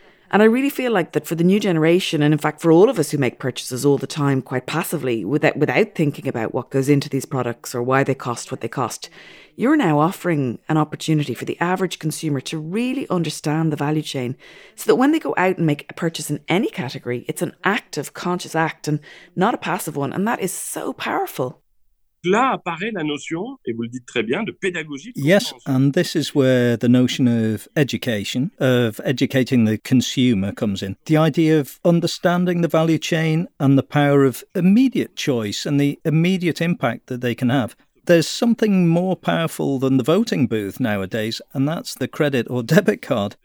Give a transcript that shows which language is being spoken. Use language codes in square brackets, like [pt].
[en] And I really feel like that for the new generation, and in fact for all of us who make purchases all the time quite passively, without thinking about what goes into these products or why they cost what they cost, you're now offering an opportunity for the average consumer to really understand the value chain so that when they go out and make a purchase in any category, it's an active, conscious act and not a passive one. And that is so powerful. [fr] Là apparaît la notion, et vous le dites très bien, de pédagogie. [en] Yes, and this is where the notion of education, of educating the consumer comes in. The idea of understanding the value chain and the power of immediate choice and the immediate impact that they can have. There's something more powerful than the voting booth nowadays, and that's the credit or debit card.